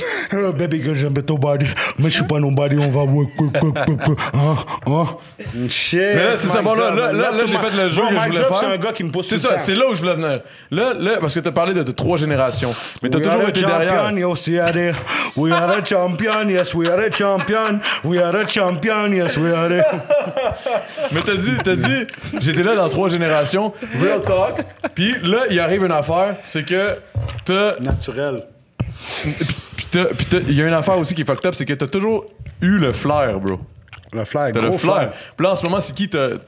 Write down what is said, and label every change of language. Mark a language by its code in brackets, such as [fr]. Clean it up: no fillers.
[en] hello! Baby girl, [fr] j'aime ton [en] body. [fr] Mais je suis pas nobody, on va voir. Hein? Hein? Shit! Mais là, c'est ça, bon, là, là j'ai fait le jeu que je voulais faire. C'est un gars qui me pousse. C'est ça, c'est là où je voulais venir. Là, là, parce que t'as parlé de trois générations. Mais t'as toujours été derrière. [en] We are a champion, yes, we are a champion. We are a champion, yes, we are a. [fr] Mais t'as dit, j'étais là dans trois générations. [en] Real talk. [fr] Puis là, il arrive une affaire. C'est que t'as... Naturel. Puis il y a une affaire aussi qui est fucked up, c'est que t'as toujours eu le flair, bro. Le flair, t'as gros le flair. Puis là, en ce moment, c'est qui t'as...